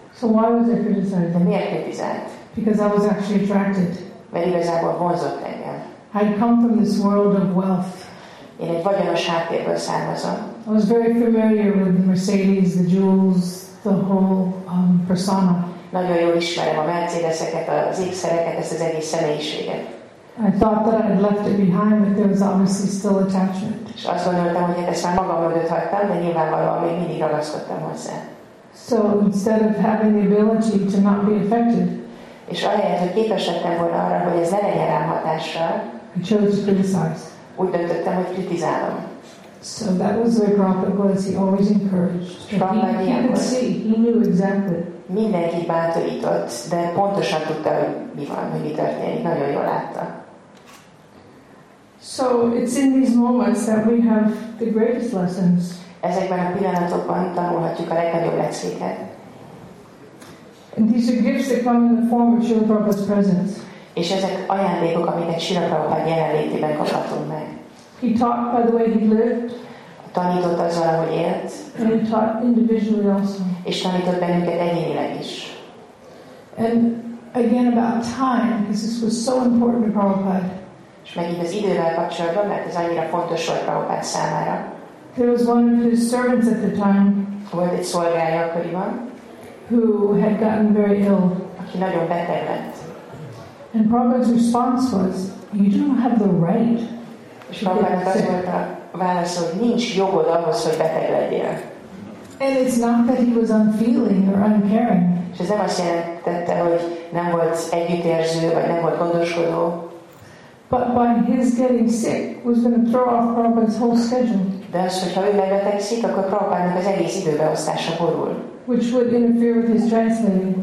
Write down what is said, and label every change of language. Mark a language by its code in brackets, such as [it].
[en] So why was I criticizing? [hu] De miért kritizált? [en] Because I was actually attracted. [hu] Mert igazából vonzott engem. [en] I come from this world of wealth. [hu] Én egy vagyonos háttérből származom. [en] I was very familiar with the Mercedes, the jewels, the whole persona. [hu] Nagyon jól ismerem a Mercedeseket, az ékszereket, ezt az egész személyiséget. [en] I thought that I had left it behind, but there was obviously still attachment. [hu] És azt gondoltam, hogy ezt már magam mögött hagytam, de nyilvánvalóan még mindig ragaszkodtam hozzá. [en] So instead of having the ability to not be affected, [hu] és ahelyett, hogy képesedtem volna arra, hogy ez ne legyen rám hatással, [en] I chose to criticize. [hu] Úgy döntöttem, hogy kritizálom. [en] So that was the Prabhupada quality he always encouraged. He could see, he knew exactly. [hu] Mindenki bátorított, de pontosan tudta, hogy mi van, hogy mi történik. Nagyon jól látta. [en] So it's in these moments that we have the greatest lessons. [hu] Ezekben a pillanatokban tanulhatjuk a legnagyobb leckéket. [en] And these are gifts that come in the form of Srila Prabhupada's presence. [hu] És ezek ajándékok, amiket Srila Prabhupada jelenlétében kaphatunk meg. [en] He taught by the way he lived. [hu] Tanított azzal, ahogy élt. [en] And he taught individually also. [hu] És tanított bennünket egyénileg is. [en] And again about time, because this was so important to Prabhupada. [hu] És megint az idővel kapcsolatban, mert ez annyira fontos volt Prabhupada számára. [en] There was one of his servants at the time. [hu] Volt egy szolgálja akkoriban. [en] Who had gotten very ill. [hu] Aki nagyon beteg lett. [en] And Prabhupada's response was, you don't have the right. [hu] És Prabhupádnak az volt a válasz, hogy nincs jogod ahhoz, hogy beteg legyél. [en] And it's not that he was unfeeling or uncaring. [hu] És ez nem azt jelentette, hogy nem volt együttérző, vagy nem volt gondoskodó. [en] But by his getting sick was going to throw off Prabhupád's whole schedule. [hu] De az, hogyha ő megbetegszik, akkor Prabhupádnak az egész időbeosztása borul. [en] Which would interfere with his translating.